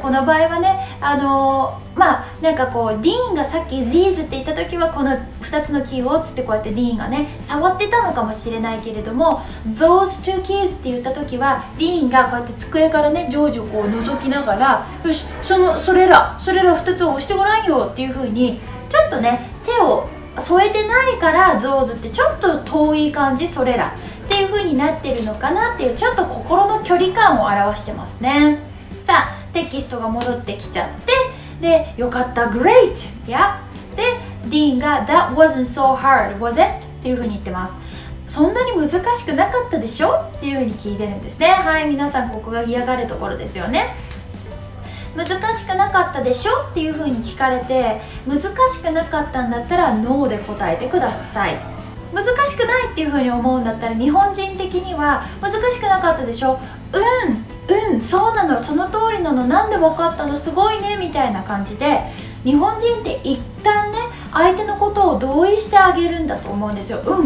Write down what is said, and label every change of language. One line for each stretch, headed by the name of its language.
Japanese: この場合はね、まあなんかこうディーンがさっき These って言った時はこの2つのキーをつってこうやってディーンがね触ってたのかもしれないけれども、
English: Those two keys
Japanese: って言った時はディーンがこうやって机からねジョージをこう覗きながら、よし、それら2つを押してごらんよっていう風にちょっとね手を添えてないから、 Those ってちょっと遠い感じ、それらっていう風になってるのかなっていう、ちょっと心の距離感を表してますね。さあテキストが戻ってきちゃって、で、よかった、great!
English: Yep! で、Dean が That wasn't so hard, was it?
Japanese: っていう風に言ってます。そんなに難しくなかったでしょっていう風に聞いてるんですね。はい、皆さんここが嫌がるところですよね。難しくなかったでしょっていう風に聞かれて、難しくなかったんだったら No で答えてください。難しくないっていう風に思うんだったら、日本人的には難しくなかったでしょ、そうなの、その通りなの、なんで分かったの、すごいねみたいな感じで、日本人って一旦ね相手のことを同意してあげるんだと思うんですよ。